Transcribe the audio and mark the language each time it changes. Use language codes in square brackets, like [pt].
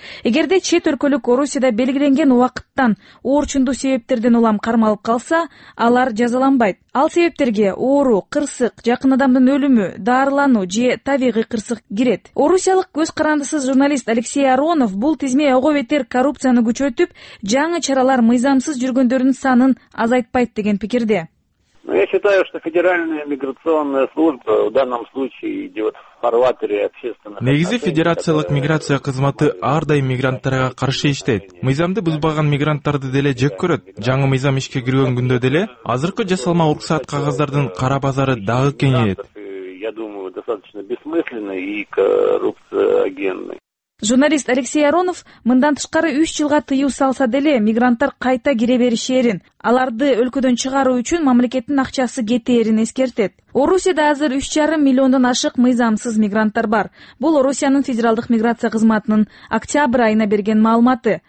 [ky] Эгерде чет өлкөлүк Орусияда белгиленген убакыттан оорчундуу себептерден улам кармалып калса, алар жазаланбайт. Ал себептерге оору, кырсык, жакын адамдын өлүмү, даарылануу же табигый кырсык кирет. Орусиялык көз карандысыз журналист Алексей Аронов бул тизме ого бетер коррупцияны күчөтүп, жаңы чаралар мыйзамсыз жүргөндөрдүн санын азайтпайт деген пикирде. [ru] Но я считаю, что федеральная миграционная служба в данном случае идет в фарватере общественных. [ky] Негизи федерациялык миграция кызматы ар дайым мигранттарга каршы иштейт. Мыйзамды бузбаган мигранттарды деле жек көрөт. Жаңы мыйзам ишке кирген күндө деле азыркы жасалма уруксат кагаздардын кара базары дагы кеңейет. [ru] Я думаю, достаточно бессмысленный и коррупциогенный. [ky] Журналист Алексей Аронов мындан тышкары 3 жылга тыюу салса деле мигранттар кайта кире беришерин, аларды өлкөдөн чыгаруу үчүн мамлекеттин акчасы кетээрин эскертет. Орусияда азыр 3,5 миллиондон ашык мыйзамсыз мигранттар бар. Бул Орусиянын федералдык миграция кызматынын октябрь айына берген маалыматы.